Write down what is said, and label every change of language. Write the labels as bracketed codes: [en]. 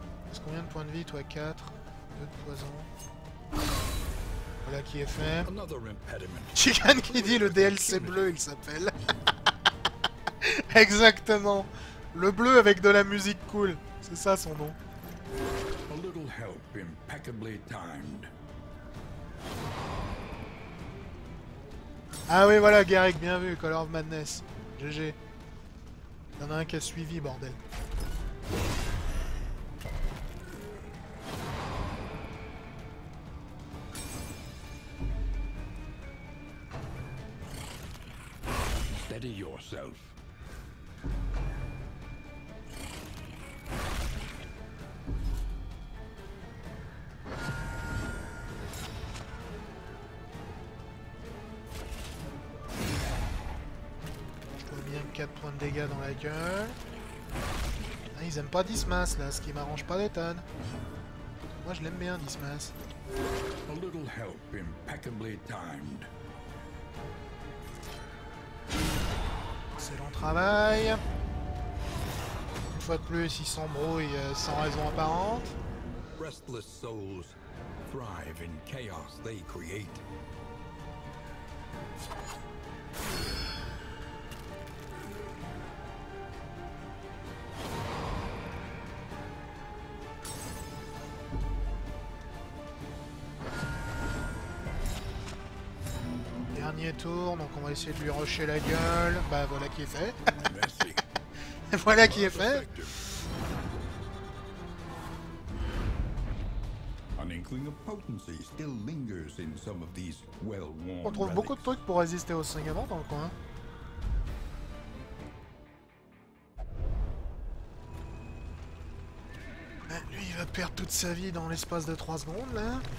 [fr] Est-ce combien de points de vie toi? 4. Deux de poison. Voilà qui est fait. Chicken qui dit le DLC bleu il s'appelle. Exactement. Le bleu avec de la musique cool. C'est ça son nom. [en] A little help impeccably timed. [fr] Ah oui voilà Garrick, bien vu, Color of Madness. GG. Y'en a un qui a suivi, bordel. [en] Yourself. [fr] Je vois bien 4 points de dégâts dans la gueule. Ah, ils aiment pas Dismas là, ce qui m'arrange pas des tonnes. Moi je l'aime bien Dismas. [en] A little help impeccably timed. [fr] Excellent travail. Une fois de plus, ils s'embrouillent sans raison apparente. [en] Restless souls thrive in chaos they create. [fr] Tour, donc on va essayer de lui rusher la gueule. Bah voilà qui est fait. Voilà qui est fait. [en] An inkling of potency still lingers in some of these well-worn. [fr] On trouve beaucoup de trucs pour résister aux saignements dans le coin. Bah, lui il va perdre toute sa vie dans l'espace de 3 secondes là.